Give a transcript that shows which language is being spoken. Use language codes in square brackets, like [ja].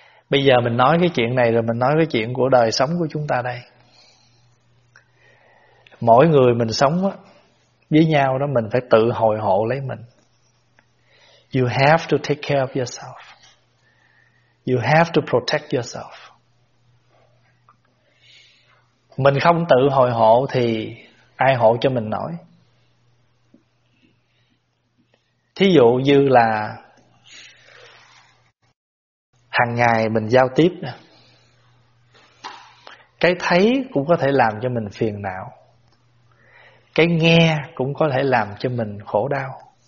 [vi] Bây giờ mình nói cái chuyện này rồi mình nói cái chuyện của đời sống của chúng ta đây. Mỗi người mình sống á, với nhau đó, mình phải tự hồi hộ lấy mình. [en] You have to take care of yourself. You have to protect yourself. [vi] Mình không tự hồi hộ thì ai hộ cho mình nổi? Thí dụ như là hằng ngày mình giao tiếp nè, cái thấy cũng có thể làm cho mình phiền não, cái nghe cũng có thể làm cho mình khổ đau.